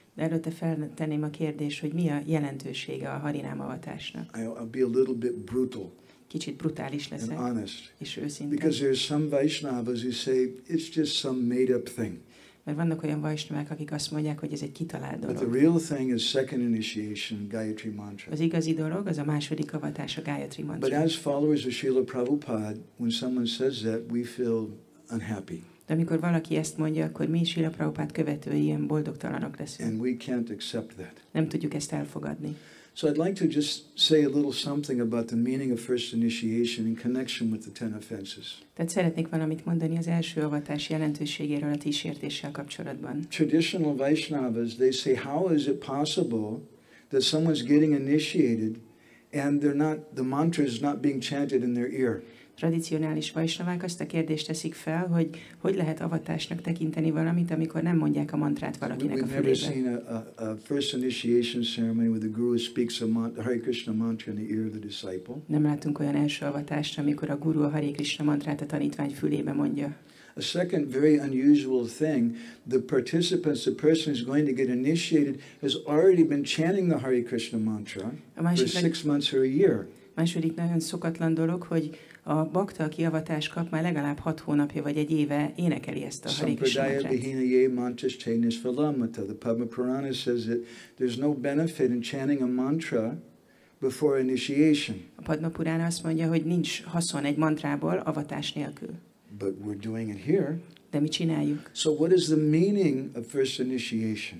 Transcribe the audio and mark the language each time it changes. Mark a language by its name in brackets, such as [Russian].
[Hungarian] De előtte feltenném a kérdést, hogy mi a jelentősége a Harinám avatásnak. [English] I'll be a little bit brutal. [Hungarian] Kicsit brutális leszek. [English] And honest. [Hungarian] És őszinte. [English] Because there's some Vaishnavas who say it's just some made up thing. [Hungarian] Mert vannak olyan vaisnavák, akik azt mondják, hogy ez egy kitalált dolog. [English] But the real thing is second initiation, Gayatri Mantra. [Hungarian] Az igazi dolog, az a második avatás, a Gayatri Mantra. [English] But as followers of Srila Prabhupada, when someone says that, we feel unhappy. [Hungarian] De amikor valaki ezt mondja, akkor mi Srila Prabhupát követői ilyen boldogtalanok leszünk. [English] And we can't accept that. [Hungarian] Nem tudjuk ezt elfogadni. [English] So I'd like to just say a little something about the meaning of first initiation in connection with the ten offenses. [Hungarian] Tehát szeretnék valamit mondani az első avatás jelentőségéről a tíz sértéssel kapcsolatban. [English] Traditional Vaishnavas, they say, how is it possible that someone's getting initiated and they're not, the mantra is not being chanted in their ear? [Hungarian] Tradicionális vaisnavák azt a kérdést teszik fel, hogy hogy lehet avatásnak tekinteni valamit, amikor nem mondják a mantrát valakinek a fülébe. [English] We've never seen a first initiation ceremony where the guru speaks a Hare Krishna mantra in the ear of the disciple. [Hungarian] Nem látunk olyan első avatást, amikor a guru a Hare Krishna mantrát a tanítvány fülébe mondja. [English] A second very unusual thing, the participants, the person who's going to get initiated, has already been chanting the Hare Krishna mantra for 6 months or a year. [Hungarian] Második nagyon szokatlan dolog, hogy a bakta, aki avatást kap, már legalább 6 hónapja vagy egy éve énekeli ezt a Hare Krishna mantrát. [English] The Padma Purana says that there's no benefit in chanting a mantra before initiation. [Hungarian] A Padma Purana azt mondja, hogy nincs haszon egy mantrából avatás nélkül. [English] But we're doing it here. [Hungarian] De mi csináljuk. [English] So what is the meaning of first initiation?